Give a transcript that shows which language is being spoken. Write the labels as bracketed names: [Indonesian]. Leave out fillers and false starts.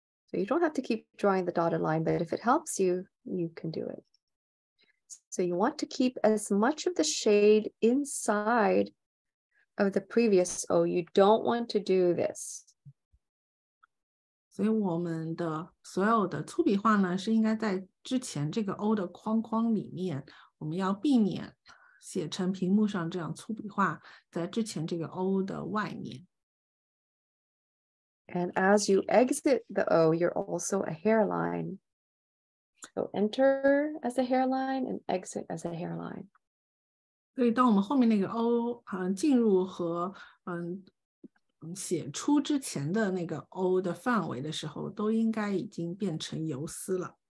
[English] So you don't have to keep drawing the dotted line, but if it helps you, you can do it. So you want to keep as much of the shade inside of the previous O. You don't want to do this. [Chinese] 所以我们的所有的粗笔画呢，是应该在之前这个 O 的框框里面。我们要避免写成屏幕上这样粗笔画在之前这个 O 的外面。 [English] And as you exit the O, you're also a hairline. So enter as a hairline and exit as a hairline. [Chinese] 所以当我们后面那个 O 进入和写出之前的那个 O 的范围的时候，都应该已经变成油丝了。